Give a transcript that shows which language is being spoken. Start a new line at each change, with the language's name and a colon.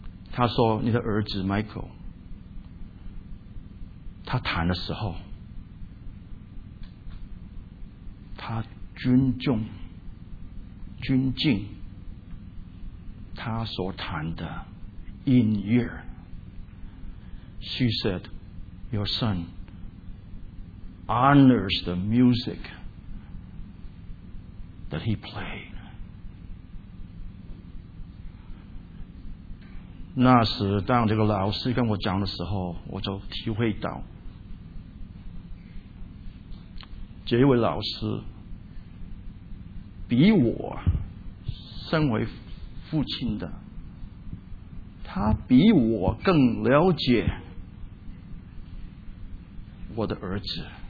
Chinese: 他说，你的儿子 Michael 他弹的时候，他尊敬他所弹的音乐。
English: She said, your son honors the music that he played.
Chinese: 那时当这个老师跟我讲的时候，我就体会到这位老师比我身为父亲的，他比我更了解我的儿子。